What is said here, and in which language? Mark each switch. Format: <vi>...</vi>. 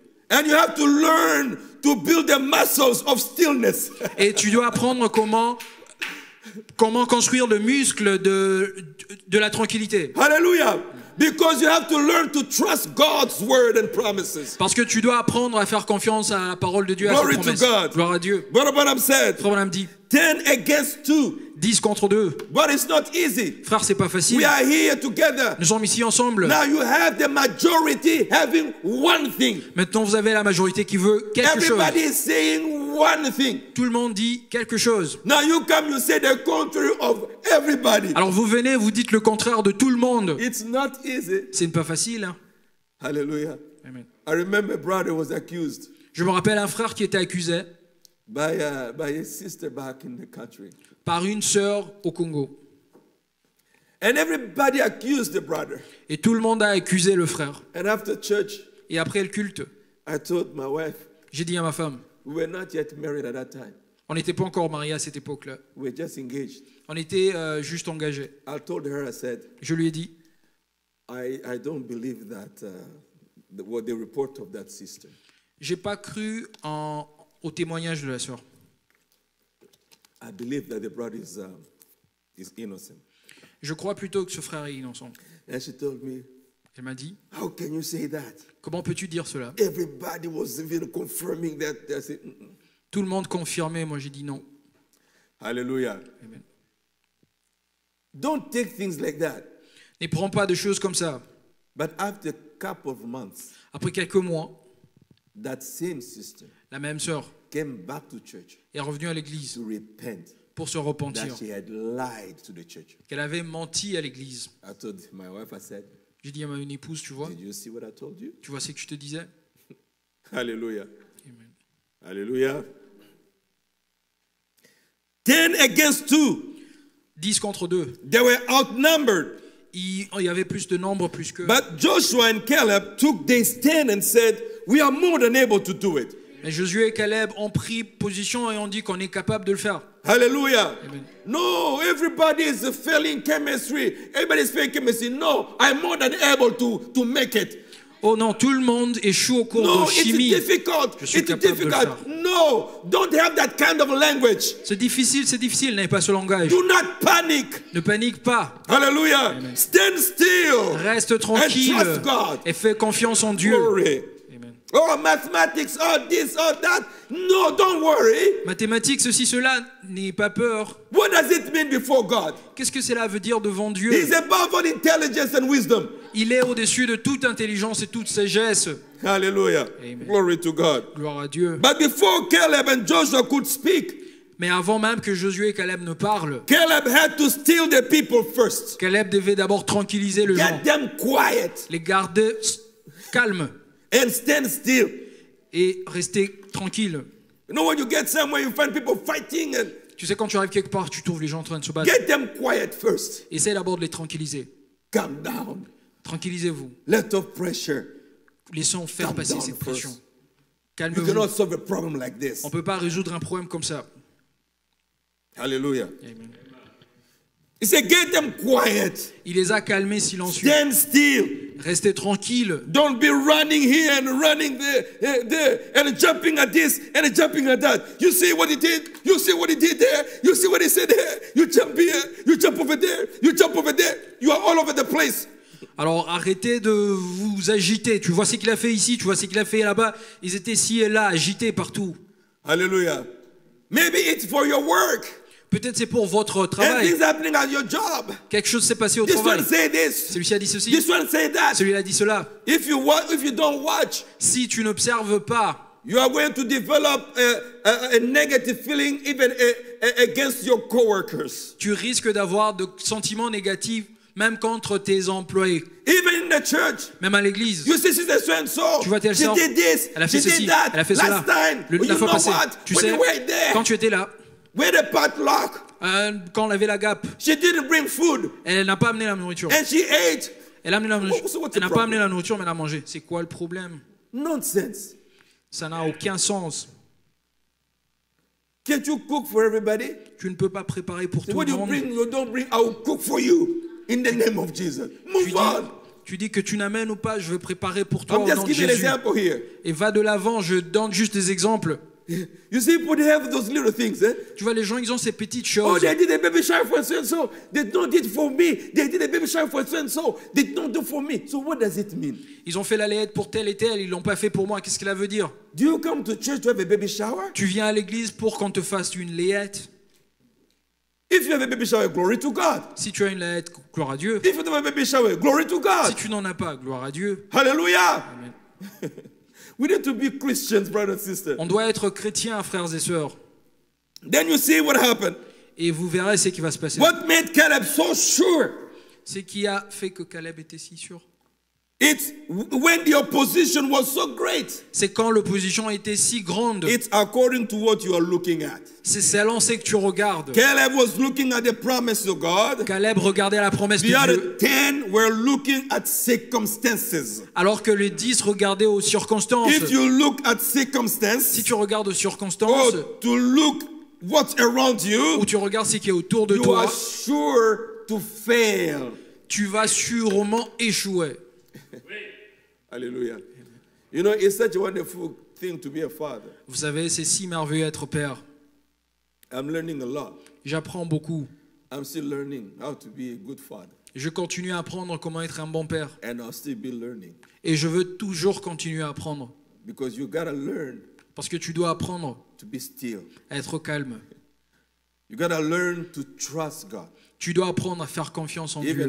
<en>And you have to learn to build the muscles of stillness.</en> <fr>Et tu dois apprendre comment. Comment construire le muscle de la tranquillité?</fr> <en>Hallelujah! Because you have to learn to trust God's word and promises.</en> <fr>Parce que tu dois apprendre à faire confiance à la parole de Dieu.</fr> <en>Glory</en> <fr>à ses promesses.</fr> <en>To God.</en> <fr>Gloire à Dieu.</fr> <en>Brother Branham said.</en> <fr>Frère Branham dit.</fr> <en>10 against 2.</en> <fr>10 contre 2.</fr> <en>But it's not easy.</en> <fr>Frère, c'est pas facile.</fr> <en>We are here together.</en> <fr>Nous sommes ici ensemble.</fr> <en>Now you have the majority having one thing.</en> <fr>Maintenant, vous avez la majorité qui veut quelque</fr> <en>Everybody</en> <fr>chose.</fr> <en>Everybody is saying one thing.</en> <fr>Tout le monde dit quelque chose.</fr> <en>Now you come, you say the contrary of everybody.</en> <fr>Alors vous venez, vous dites le contraire de tout le monde.</fr> <en>It's not easy.</en> <fr>C'est pas facile. Hein.</fr> <en>Hallelujah.</en> <fr>Amen.</fr> <en>I remember a brother was accused.</en> <fr>Je me rappelle un frère qui était accusé.</fr> <en>By a sister back in the country.</en> <fr>Par une sœur au Congo.</fr> <en>And everybody accused the brother.</en> <fr>Et tout le monde a accusé le frère.</fr> <en>And after church,</en> <fr>et après le culte,</fr> <en>I told my wife,</en> <fr>j'ai dit à ma femme,</fr> <en>we were not yet married at that time.</en> <fr>On n'était pas encore mariés à cette époque-là.</fr> <en>We were just engaged.</en> <fr>On était juste engagés.</fr> <en>I told her, I said,</en> <fr>je lui ai dit,</fr> <en>I don't believe that what the report of that sister.</en> <fr>J'ai pas cru en au témoignage de la sœur.</fr> <en>I believe that the brother is innocent.</en> <fr>Je crois plutôt que ce frère est innocent.</fr> <en>And she told me,</en> <fr>elle m'a dit,</fr> <en>how can you say that?</en> <fr>Comment peux-tu dire cela?</fr> <en>Everybody was even confirming that. I said,</en> <fr>tout le monde confirmait, moi j'ai dit non.</fr> <en>Hallelujah.</en> <fr>Amen.</fr> <en>Don't take things like that.</en> <fr>Ne prends pas de choses comme ça.</fr> <en>But after a couple of months,</en> <fr>après quelques mois,</fr> <en>that same sister,</en> <fr>la même sœur,</fr> <en>came back to church,</en> <fr>est revenue à l'église</fr> <en>to repent,</en> <fr>pour se repentir</fr> <en>that she had lied to the church,</en> <fr>qu'elle avait menti à l'église.</fr> <en>I told my wife, I said,</en> <fr>j'ai dit à ma une épouse, tu vois,</fr> <en>did you see what I told you?</en> <fr>Tu vois ce que je te disais? Alléluia. Amen. Alléluia.</fr> <en>10 against 2.</en> <fr>10 contre 2.</fr> <en>They were outnumbered.</en> <fr>Il y avait plus de nombre plus que.</fr> <en>But Joshua and Caleb took their stand and said, we are more than able to do it.</en> <fr>Mais Josué et Caleb ont pris position et ont dit qu'on est capable de le faire.</fr> <en>Hallelujah.</en> <fr>Amen.</fr> <en>No, everybody is failing chemistry. Everybody is failing chemistry. No, I'm more than able to make it.</en> <fr>Oh non, tout le monde échoue au cours</fr> <en>no,</en> <fr>de chimie.</fr> <en>It's difficult.</en> <fr>Je suis</fr> <en>it's</en> <fr>capable</fr> <en>difficult.</en> <fr>De le faire.</fr> <en>No, don't have that kind of language.</en> <fr>C'est difficile, n'ayez pas ce langage.</fr> <en>Do not panic.</en> <fr>Ne panique pas.</fr> <en>Hallelujah.</en> <fr>Amen.</fr> <en>Stand still.</en> <fr>Reste tranquille.</fr> <en>And trust God.</en> <fr>Et fais confiance en Dieu.</fr> <en>Glory. Oh, mathematics, oh, this, oh, that. No, don't worry.</en> <fr>Mathématiques, ceci, cela, n'ayez pas peur.</fr> <en>What does it mean before God?</en> <fr>Qu'est-ce que cela veut dire devant Dieu?</fr> <en>He's above all intelligence and wisdom.</en> <fr>Il est au-dessus de toute intelligence et toute sagesse.</fr> <en>Hallelujah.</en> <fr>Amen.</fr> <en>Glory to God.</en> <fr>Gloire à Dieu.</fr> <en>But before Caleb and Joshua could speak,</en> <fr>mais avant même que Josué et Caleb ne parlent,</fr> <en>Caleb had to steal the people first.</en> <fr>Caleb devait d'abord tranquilliser le</fr> <en>get them quiet.</en> <fr>Les garder calmes.</fr> <en>And stand still.</en> <fr>Et rester tranquille.</fr> <en>You know when you get somewhere, you find people fighting. And</en> <fr>Tu sais, quand tu arrives quelque part, tu trouves les gens en train de se battre.</fr> <en>Get them quiet first.</en> <fr>Essaye d'abord de les tranquilliser.</fr> <en>Calm down.</en> <fr>Tranquillisez-vous.</fr> <en>Let off pressure.</en> <fr>Laissons faire</fr> <en>Calm</en> <fr>passer cette pression. Calmez-vous.</fr> <en>You cannot solve a problem like this.</en> <fr>On peut pas résoudre un problème comme ça.</fr> <en>Hallelujah.</en> <fr>Amen.</fr> <en>He said, get them quiet.</en> <fr>Il les a calmés silencieux.</fr> <en>Stand still.</en> <fr>Restez tranquille.</fr> <en>Don't be running here and running there and jumping at this and jumping at that. You see what he did? You see what he did there? You see what he said there? You jump here, you jump over there, you jump over there. You are all over the place.</en> <fr>Alors arrêtez de vous agiter. Tu vois ce qu'il a fait ici, tu vois ce qu'il a fait là-bas. Ils étaient ici et là, agités partout.</fr> <en>Alléluia. Maybe it's for your work.</en> <fr>Peut-être c'est pour votre travail.</fr> <en>Anything's happening at your job.</en> <fr>Quelque chose s'est passé au</fr> <en>this</en> <fr>travail.</fr> <en>One say this.</en> <fr>Celui-ci a dit ceci.</fr> <en>This one say that.</en> <fr>Celui-là a dit cela.</fr> <en>If you watch, if you don't watch,</en> <fr>si tu n'observes pas,</fr> <en>you are going to develop a negative feeling even against your coworkers.</en> <fr>Tu risques d'avoir de sentiments négatifs même contre tes employés.</fr> <en>Even in the church.</en> <fr>Même à l'église.</fr> <en>You see, she's so and so.</en> <fr>Tu vois telle sorte.</fr> <en>She did this.</en> <fr>Elle a fait</fr> <en>she</en> <fr>ceci.</fr> <en>Did that.</en> <fr>Elle a fait</fr> <en>last</en> <fr>cela.</fr> <en>Time.</en> <fr>Le, la fois passée.</fr> <en>What?</en> <fr>Tu sais, quand tu étais là.</fr> <en>Where the potluck?</en> <fr>Quand on avait la gap.</fr> <en>She didn't bring food.</en> <fr>Elle n'a pas amené la nourriture.</fr> <en>And she ate.</en> <fr>Elle a amené la nourriture. Elle n'a pas amené la nourriture, mais elle a mangé. C'est quoi le problème?</fr> <en>Nonsense.</en> <fr>Ça n'a aucun sens.</fr> <en>Can't you cook for everybody?</en> <fr>Tu ne peux pas préparer pour tout le monde.</fr> <en>What you bring, you don't bring. I will cook for you in the name of Jesus. Move on.</en> <fr>Tu dis que tu n'amènes ou pas, je vais préparer pour toi.</fr> <en>I'm just giving an example here.</en> <fr>Et va de l'avant. Je donne juste des exemples.</fr> <en>You see, people have those little things. Eh?</en> <fr>Tu vois, les gens, ils ont ces petites choses.</fr> <en>Oh, they did a baby shower for so and so. They don't did for me. They did a baby shower for so and so. They don't do for me. So what does it mean?</en> <fr>Ils ont fait la layette pour tel et tel. Ils l'ont pas fait pour moi. Qu'est-ce que cela veut dire?</fr> <en>Do you come to church to have a baby shower?</en> <fr>Tu viens à l'église pour qu'on te fasse une layette?</fr> <en>If you have a baby shower, glory to God.</en> <fr>Si tu as une layette, gloire à Dieu.</fr> <en>If you don't have a baby shower, glory to God.</en> <fr>Si tu n'en as pas, gloire à Dieu.</fr> <en>Hallelujah.</en> <fr>Amen.</fr> <en>We need to be Christians, brothers and sisters.</en> <fr>On doit être chrétiens, frères et sœurs.</fr> <en>Then you see what happened.</en> <fr>Et vous verrez ce qui va se passer.</fr> <en>What made Caleb so sure?</en> <fr>Ce qui a fait que Caleb était si sûr.</fr> <en>It's when the opposition was so great.</en> <fr>C'est quand l'opposition était si grande.</fr> <en>It's according to what you are looking at.</en> <fr>C'est selon ce que tu regardes.</fr> <en>Caleb was looking at the promise of God.</en> <fr>Caleb regardait la promesse</fr> <en>the</en> <fr>de</fr> <en>other</en> <fr>Dieu.</fr> <en>10 were looking at circumstances.</en> <fr>Alors que les 10 regardaient aux circonstances.</fr> <en>If you look at circumstances,</en> <fr>si tu regardes aux circonstances,</fr> <en>or to look what's around you,</en> <fr>ou tu regardes ce qui est autour de</fr> <en>you</en> <fr>toi,</fr> <en>are sure to fail.</en> <fr>Tu vas sûrement échouer. Alléluia.</fr> <en>You know, it's such a wonderful thing to be a father.</en> <fr>Vous savez, c'est si merveilleux être père.</fr> <en>I'm learning a lot.</en> <fr>J'apprends beaucoup.</fr> <en>I'm still learning how to be a good father.</en> <fr>Je continue à apprendre comment être un bon père.</fr> <en>And I'll still be learning.</en> <fr>Et je veux toujours continuer à apprendre.</fr> <en>Because you gotta learn.</en> <fr>Parce que tu dois apprendre.</fr> <en>To be still.</en> <fr>À être calme.</fr> <en>You gotta learn to trust God.</en> <fr>Tu dois apprendre à faire confiance en</fr> <en>Even</en>